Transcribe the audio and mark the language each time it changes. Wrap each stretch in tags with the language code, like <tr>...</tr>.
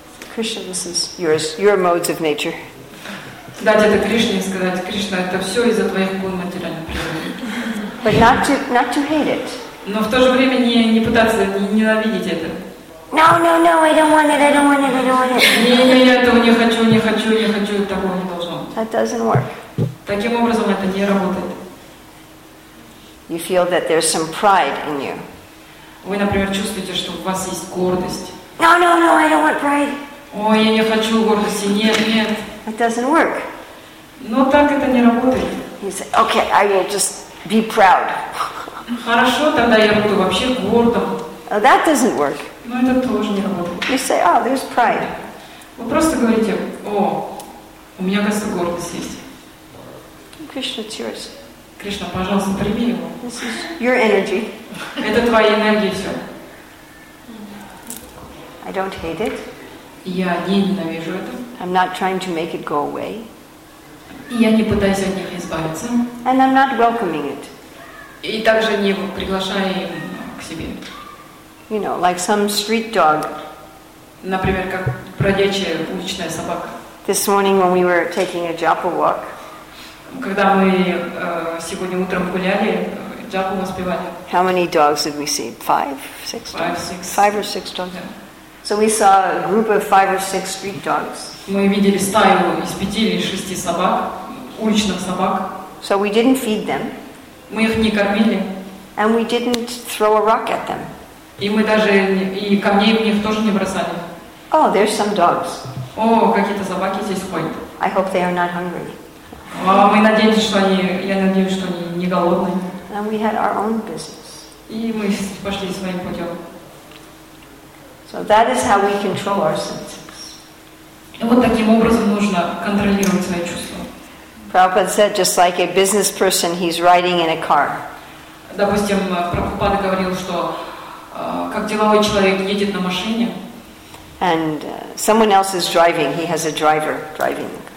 <en>Krishna, this is yours, your modes of nature.</en> <ru>Дать это Кришне и сказать, Кришна, это все из-за твоих гун материальной природы.</ru> <en>But not to hate it.</en> <ru>Но в то же время не пытаться ненавидеть это.</ru> <en>No, I don't want it.</en> <ru>Не, этого не хочу, такого не должно.</ru> <en>That doesn't work.</en> <ru>Таким образом это не работает.</ru> <en>You feel that there's some pride in you.</en> <ru>Вы, например, чувствуете, что у вас есть гордость.</ru> <en>No, I don't want pride.</en> <ru>Ой, я не хочу гордости, нет.</ru> <en>It doesn't work.</en> <ru>Но так это не работает.</ru> <en>You say, okay, I will just be proud.</en> <ru>Хорошо, тогда я буду вообще гордым.</ru> <en>That doesn't work.</en> <ru>Но это тоже не работает.</ru> <en>You say, oh, there's pride.</en> <ru>Вы просто говорите, о, у меня, кажется, гордость есть.</ru> <en>Krishna, it's yours.</en> <ru>Кришна, пожалуйста, прими его.</ru> <en>This is your energy.</en> <ru>Это твоя энергия, все.</ru> <en>I don't hate it.</en> <ru>Я не ненавижу это.</ru> <en>I'm not trying to make it go away.</en> <ru>Я не пытаюсь от них избавиться.</ru> <en>And I'm not welcoming it.</en> <ru>И также не приглашаю их к себе.</ru> <en>You know, like some street dog.</en> <ru>Например, как бродячая уличная собака.</ru> <en>This morning when we were taking a japa walk.</en> <ru>Когда мы сегодня утром гуляли, джапу воспевали.</ru> <en>How many dogs did we see? Five or six dogs. Yeah. So we saw a group of five or six street dogs.</en> <ru>Мы видели стаю из пяти или шести собак, уличных собак.</ru> <en>So we didn't feed them.</en> <ru>Мы их не кормили.</ru> <en>And we didn't throw a rock at them.</en> <ru>И мы даже и камней в них тоже не бросали.</ru> <en>Oh, there's some dogs.</en> <ru>О, какие-то собаки здесь ходят.</ru> <en>I hope they are not hungry.</en> <ru>Мы надеемся, что они, я надеюсь, что они не голодные.</ru> <en>And we had our own business.</en> <ru>И мы пошли своим путем.</ru> <en>So that is how we control our senses.</en> <ru>Вот таким образом нужно контролировать свои чувства.</ru> <en>Prabhupada said, just like a business person, he's riding in a car.</en> <ru>Допустим, Прабхупада говорил, что как деловой человек едет на машине.</ru> <en>And someone else is driving. He has a driver driving.</en>